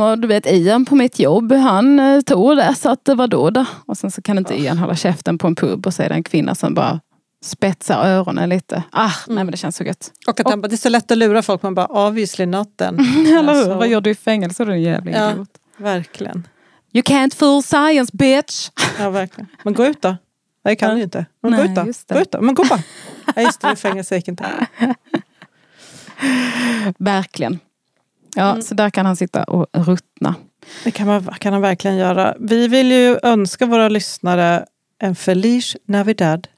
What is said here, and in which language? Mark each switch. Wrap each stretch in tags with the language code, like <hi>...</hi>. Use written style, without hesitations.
<sv>Och du vet, Ian på mitt jobb, han tog det, så att det var då. Och sen så kan inte Ian hålla käften på en pub och säga en kvinna som bara spetsar öronen lite. Ah, nej men det känns så gött. Och att han bara, det är så lätt att lura folk, man bara,</sv> <en>obviously not then.</en> <sv>Eller hur? Vad gör du i fängelse då, jävling? Ja, verkligen.</sv> <en>You can't fool science, bitch!</en> <sv>Ja, verkligen. Men gå ut då. Nej, kan du inte. Men nej, gå ut då. Gå ut då. Men gå bara. Nej, just det. Fängelse gick inte. Verkligen. Ja, mm. Så där kan han sitta och ruttna. Det kan han verkligen göra. Vi vill ju önska våra lyssnare en Feliz Navidad.</sv>